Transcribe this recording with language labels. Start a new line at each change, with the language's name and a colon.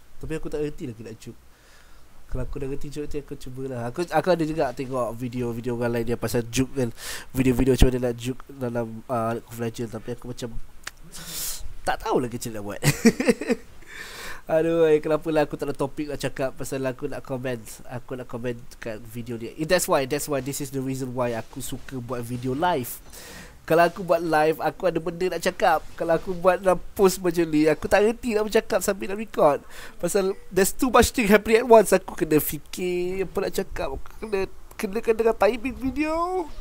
Malay: Tapi aku tak reti lagi nak juke. Kalau aku dah reti juke tu aku cubalah. Aku ada juga tengok video-video orang lain dia pasal juke kan. Video-video macam mana nak juke dalam League of Legends. Tapi aku macam tak tahu lagi macam mana nak buat. Aduh, kenapa lah aku tak ada topik nak cakap pasal aku nak komen. Aku nak komen kat video dia.
English: That's why this is the reason why
Malay: aku suka buat video live. Kalau aku buat live, aku ada benda nak cakap. Kalau aku buat dalam post macam ni, aku tak reti nak bercakap sambil nak record. Pasal
English: there's too much thing happening at once.
Malay: Aku kena fikir apa nak cakap. Aku kena dengan timing video.